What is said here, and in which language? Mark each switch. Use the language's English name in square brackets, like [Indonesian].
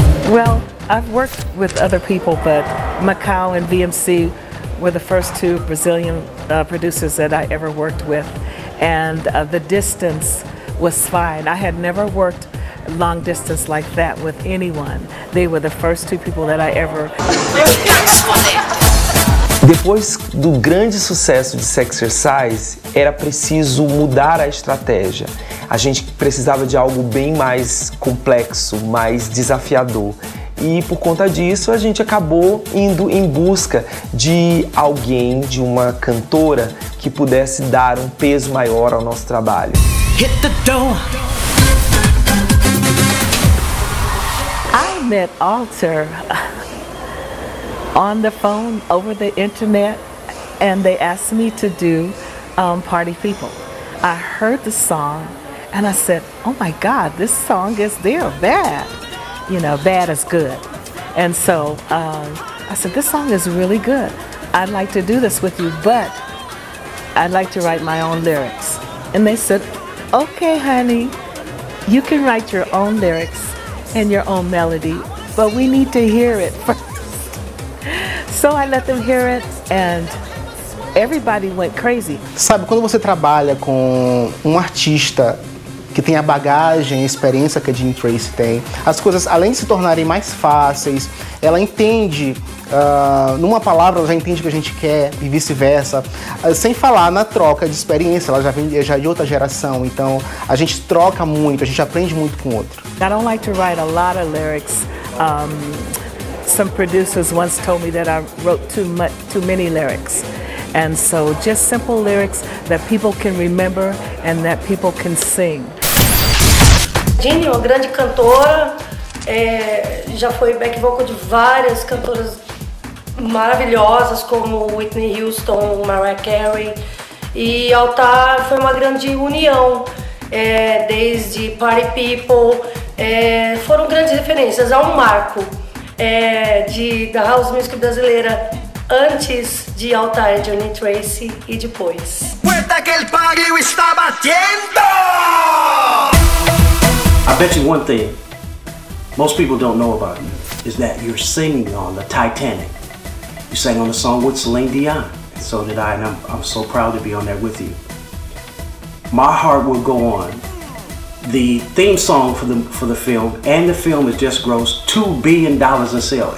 [English] Well, I've worked with other people, but Macau and VMC were the first two Brazilian producers that I ever worked with, and the distance was fine. I had never worked long distance like that with anyone. They were the first two people that I ever. [Portuguese] Depois do grande sucesso de Sexercise, era preciso mudar a estratégia. A gente precisava de algo bem mais complexo, mais desafiador. E por conta disso, a gente acabou indo em busca de alguém, de uma cantora, que pudesse dar um peso maior ao nosso trabalho. [English] Hit the door. I met Alter on the phone, over the internet, and they asked me to do Party People. I heard the song, and I said, oh my God, this song is there, bad. You know, bad is good. And so I said, this song is really good. I'd like to do this with you, but I'd like to write my own lyrics. And they said, okay, honey, you can write your own lyrics and your own melody, but we need to hear it first. So I let them hear it, and everybody went crazy. [Portuguese] Sabe, quando você trabalha com artista que tem a bagagem, a experiência que a Jeannie Tracy tem, as coisas, além de se tornarem mais fáceis, ela entende, numa palavra, ela já entende o que a gente quer e vice-versa, sem falar na troca de experiência, ela já vem já de outra geração, então a gente troca muito, a gente aprende muito com o outro. [English] I don't like to write a lot of lyrics. Some producers once told me that I wrote too many lyrics. And so just simple lyrics that people can remember and that people can sing. [Portuguese] Jeannie é uma grande cantora, já foi back vocal de várias cantoras maravilhosas como Whitney Houston, Mariah Carey, e Altar foi uma grande união, desde Party People, foram grandes referências, é um marco da house music brasileira antes de Altar, Jeannie Tracy e depois. Puerta que el pario está batiendo! [English] I bet you one thing most people don't know about you is that you're singing on the Titanic. You sang on the song with Celine Dion, and so did I, and I'm so proud to be on there with you. My Heart Will Go On, the theme song for the film, and the film has just grossed $2 billion in sales.